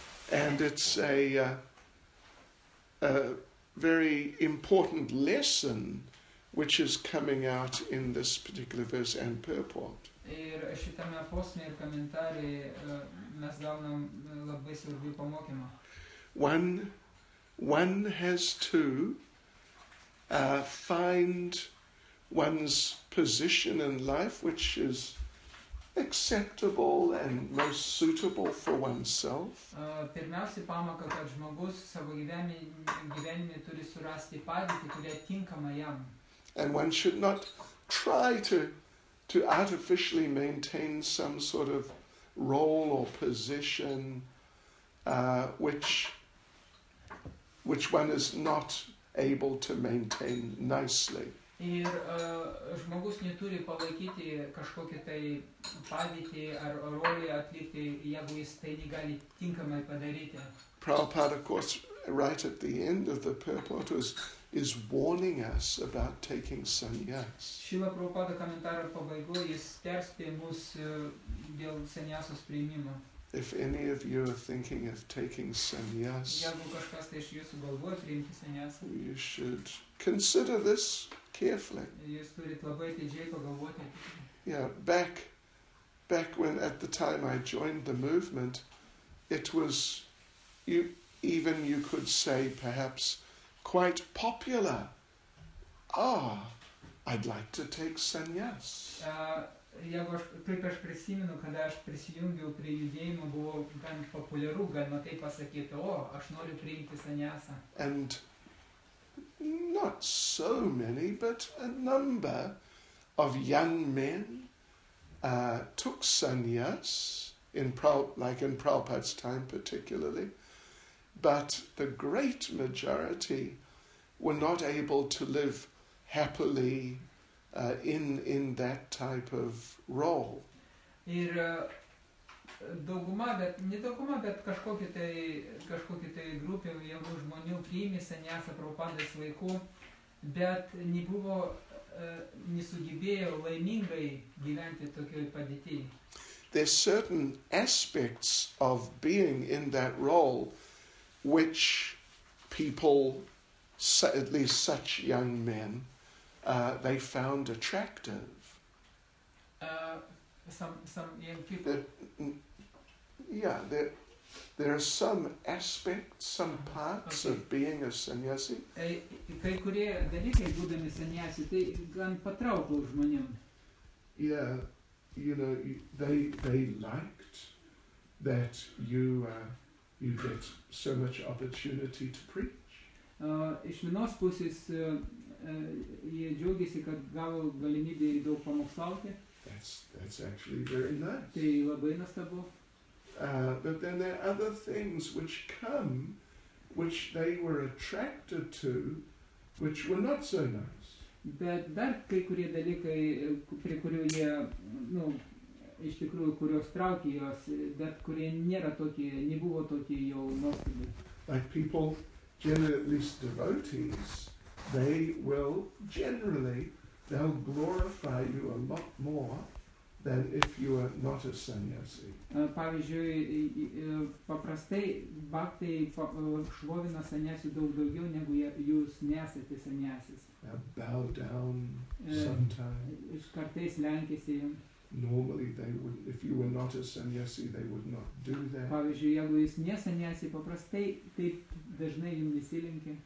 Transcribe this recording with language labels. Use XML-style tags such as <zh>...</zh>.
<en>And it's a very important lesson which is coming out in this particular verse and purport.</en> <lt>Ir šitame posme ir komentarė mes gaunam labai svarbių pamokymą.</lt> <en>One has to find one's position in life which is acceptable and most suitable for oneself.</en> <lt>Pirmiausia pamoka, kad žmogus savo gyvenime turi surasti padėtį, kuria tinkama jam.</lt> <en>And one should not try to artificially maintain some sort of role or position which one is not able to maintain nicely.</en> <lt>Ir žmogus neturi palaikyti kažkokį tai padėtį ar rolį atlikti, jeigu jis tai negali tinkamai padaryti.</lt> <en>Prabhupada, of course, right at the end of the purport is warning us about taking sannyas.</en> <lt>Šila Prabhupada komentaro pabaigoje jis perspėja mus dėl sannyaso priėmimo.</lt> <en>If any of you are thinking of taking sannyas,</en> <lt>jeigu kažkas iš jūsų galvoja priimti sannyasą,</lt> <en>you should consider this carefully.</en> <lt>Jūs turite labai atidžiai pagalvoti.</lt> <en>Yeah, back when at the time I joined the movement, it was you could say perhaps quite popular. Ah, I'd like to take sannyas.</en> <lt>Aš prisimenu, kada aš prisijungiau prie judėjimo, buvo gan populiaru, galima taip pasakyti, aš noriu priimti sannyasą.</lt> <en>And not so many, but a number of young men took sannyas in Prabhupada's time particularly, but the great majority were not able to live happily in that type of role.</en> <lt>Ir dauguma, bet ne dauguma, bet kažkokia tai grupė jaunų žmonių priėmė sannyasą Prabhupadas laiku, bet nebuvo nesugebėjo laimingai gyventi tokioj padėtyje.</lt> <en>There are certain aspects of being in that role which people, at least such young men, they found attractive. Some young people. There are some aspects, some parts of being a sannyasi.</en> <lt>Kai kurie dalykai būdami sannyasi, tai gan patrauklų žmonėm.</lt> <en>Yeah, you know, they liked that you get so much opportunity to preach.</en> <lt>Iš vienos pusės jie džiaugiasi, kad gavo galimybę ir daug pamokslauti.</lt> <en>That's actually very nice.</en> <lt>Tai labai nastabu.</lt> <en>But then there are other things which come, which they were attracted to, which were not so nice.</en> <lt>Bet dar kai kurie dalykai, prie kurių jie, nu, iš tikrųjų, kurios traukė jos, bet kurie nėra tokie, nebuvo tokie jau nuostabi.</lt> <en>Like people, generally devotees, they will generally, they'll glorify you a lot more than if you are not a sannyasi.</en> <lt>Pavyzdžiui, paprastai bhaktai šlovina sannyasi daug daugiau, negu jūs nesate sannyasis.</lt> <en>Bow down sometimes.</en> <lt>Iš kartais lenkiasi.</lt> <en>Normally they would, if you were not a sannyasi, they would not do that.</en> <lt>Pavyzdžiui, jeigu jūs nesannyasi, paprastai taip dažnai jums nesilinkia.</lt>